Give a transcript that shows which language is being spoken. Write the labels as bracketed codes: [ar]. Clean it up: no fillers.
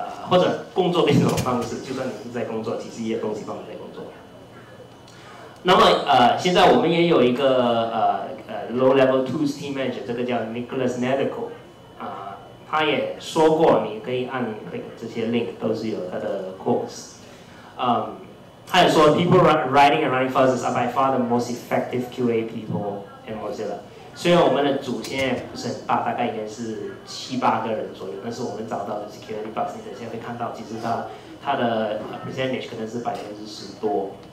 [zh] 或者工作的一种方式，就算你是在工作，其实也有东西帮你在工作。那么现在我们也有一个 [en] low level tools team manager， [zh] 这个叫 Nicholas Nedico， 他也说过，你可以按这些 link 都是有他的 quotes。他也说 [en] ，people writing and running fuzzes are by far the most effective QA people in Mozilla。 [zh] 虽然我们的组现在不是很大，大概应该是7-8个人左右，但是我们找到的 security bug， 你等下会看到，其实它的 percentage 可能是10%多。